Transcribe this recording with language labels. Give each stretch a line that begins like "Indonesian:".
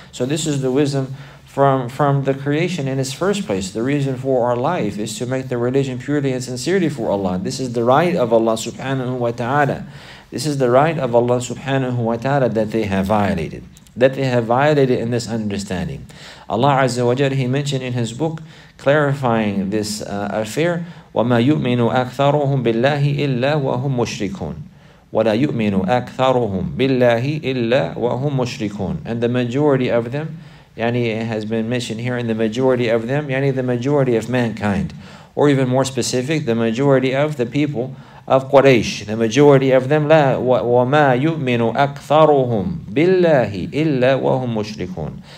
English: So this is the wisdom from the creation in its first place. The reason for our life is to make the religion purely and sincerely for Allah. This is the right of Allah subhanahu wa ta'ala. This is the right of Allah subhanahu wa ta'ala that they have violated. That they have violated in this understanding. Allah Azza wa Jalla, He mentioned in His book, clarifying this affair,
Arabic: وَمَا يُؤْمِنُ أَكْثَرُهُمْ بِاللَّهِ إِلَّا وَهُمْ مُشْرِكُونَ وَلَا يُؤْمِنُ أَكْثَرُهُمْ بِاللَّهِ إِلَّا وَهُمْ مُشْرِكُونَ.
English: And the majority of them, yani it has been mentioned here, and the majority of them, yani the majority of mankind, or even more specific, the majority of the people of Quraysh, the majority of them,
Arabic: وَمَا يُؤْمِنُ أَكْثَرُهُمْ بِاللَّهِ إِلَّا وَهُمْ مُشْرِكُونَ.